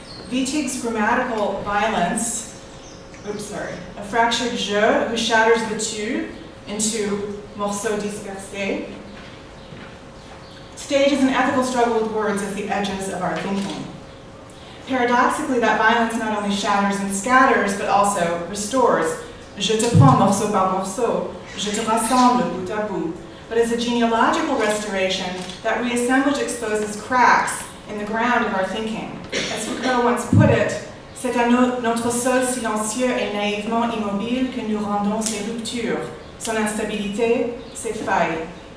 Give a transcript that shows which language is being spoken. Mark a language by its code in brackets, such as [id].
[en] Wittig's grammatical violence, a fractured je who shatters the tu into [fr] morceaux dispersés, [en] stages an ethical struggle with words as the edges of our thinking. Paradoxically, that violence not only shatters and scatters, but also restores. [fr] Je te prends morceau par morceau, je te rassemble bout à bout. [en] But as a genealogical restoration, that reassemblage exposes cracks in the ground of our thinking. As Foucault once put it, [fr] c'est à notre sol silencieux et naïvement immobile que nous rendons ses ruptures, son instabilité, ses failles.